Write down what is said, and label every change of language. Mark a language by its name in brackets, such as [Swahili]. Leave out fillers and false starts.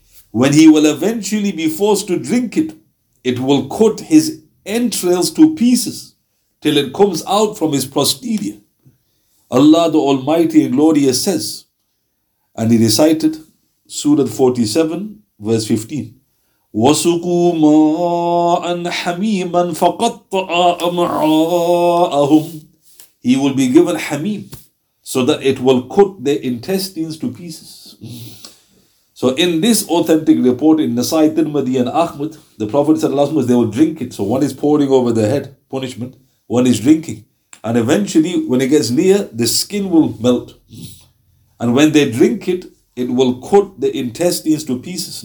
[English] When he will eventually be forced to drink it, it will cut his entrails to pieces till it comes out from his posterior. Allah the Almighty and Glorious says, and he recited Surah 47, verse 15. [Arabic] وَسُقُوا مَاءً حَمِيمًا فَقَطَّعَ أَمْعَاءَهُمْ. [English] He will be given hameem, so that it will cut their intestines to pieces. So in this authentic report in Nasai, Tirmidhi and Ahmad, the Prophet said, Allah says, they will drink it. So one is pouring over the head, punishment. One is drinking. And eventually, when it gets near, the skin will melt. And when they drink it, it will cut the intestines to pieces.